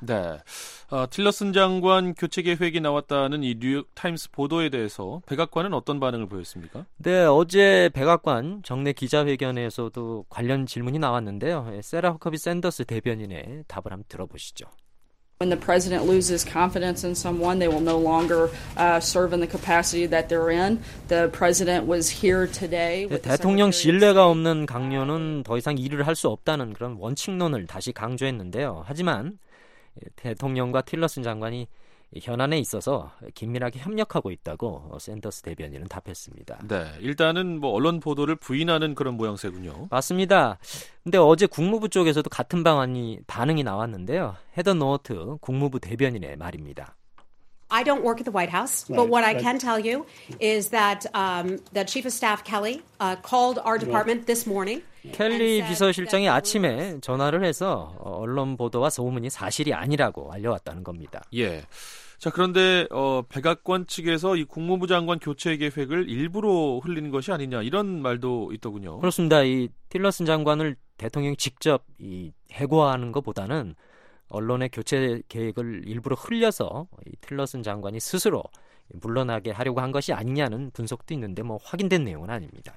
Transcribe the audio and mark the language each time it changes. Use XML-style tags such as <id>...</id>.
<ko>네, 틸러슨 장관 교체 계획이 나왔다는 이 뉴욕타임스 보도에 대해서 백악관은 어떤 반응을 보였습니까? 네, 어제 백악관 정례 기자회견에서도 관련 질문이 나왔는데요. 세라 허커비 샌더스 대변인의 답을 한번 들어보시죠.</ko> <en>When the president loses confidence in someone, they will no longer serve in the capacity that they're in. The president was here today.</en> <ko>대통령 신뢰가 없는 강요는 더 이상 일을 할 수 없다는 그런 원칙론을 다시 강조했는데요. 하지만 대통령과 틸러슨 장관이 현안에 있어서 긴밀하게 협력하고 있다고 샌더스 대변인은 답했습니다. 네, 일단은 뭐 언론 보도를 부인하는 그런 모양새군요. 맞습니다. 그런데 어제 국무부 쪽에서도 같은 반응이 나왔는데요. 헤더 노어트 국무부 대변인의 말입니다.</ko> <en>I don't work at the White House, but what I can tell you is that the Chief of Staff Kelly called our department this morning.</en> <ko>켈리 비서실장이 아침에 전화를 해서 언론 보도와 소문이 사실이 아니라고 알려왔다는 겁니다. 예. 자, 그런데 백악관 측에서 이 국무부 장관 교체 계획을 일부러 흘리는 것이 아니냐 이런 말도 있더군요. 그렇습니다. 이 틸러슨 장관을 대통령이 직접 이 해고하는 것보다는 언론의 교체 계획을 일부러 흘려서 이 틸러슨 장관이 스스로 물러나게 하려고 한 것이 아니냐는 분석도 있는데 뭐 확인된 내용은 아닙니다.</ko>